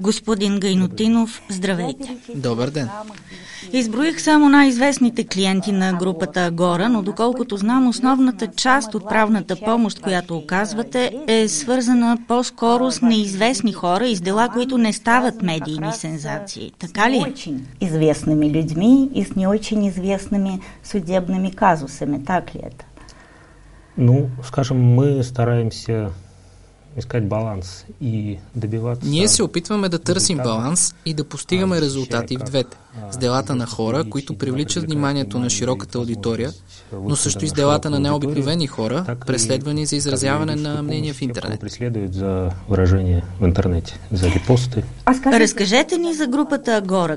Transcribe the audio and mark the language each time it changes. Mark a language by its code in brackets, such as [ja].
[bg] Господин Гайнутинов, здравейте. Добър ден. Изброих само най-известните клиенти на групата Агора, но доколкото знам, основната част от правната помощ, която оказвате, е свързана по-скоро с неизвестни хора и с дела, които не стават медийни сензации. Така ли? [ru] Известными людьми и с не очень известными судебными казусами. Так ли это? Ну, скажем, мы стараемся искать баланс и добиваться. [bg] Ние се опитваме да търсим баланс и да постигаме резултати в двете. С делата на хора, които привличат вниманието на широката аудитория, но също и с делата на необикновени хора, преследвани за изразяване на мнение в интернет. Разкажете ни за групата Агора.